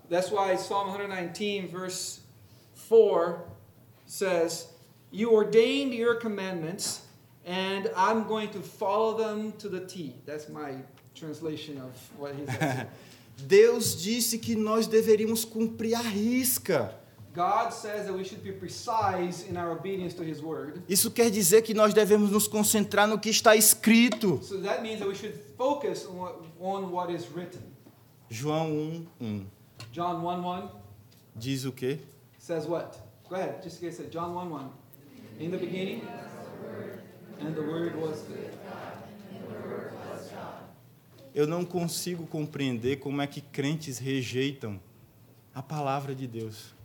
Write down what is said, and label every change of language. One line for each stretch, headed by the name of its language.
English: That's why Psalm 119, verse 4 says, you ordained your commandments, and I'm going to follow them to the T. That's my translation of what he said.
Portuguese: Deus disse que nós deveríamos cumprir à risca.
English: God says that we should be precise in our obedience to his word.
Portuguese: Isso quer dizer que nós devemos nos concentrar no que está escrito.
English: So that means that we should focus on what is written.
Portuguese: João 1, 1.
English: John 1, 1.
Portuguese: Diz o quê?
English: Says what? Go ahead, just like I said, John 1, 1. In the beginning, and the word was God.
Portuguese: Eu não consigo compreender como é que crentes rejeitam a palavra de Deus.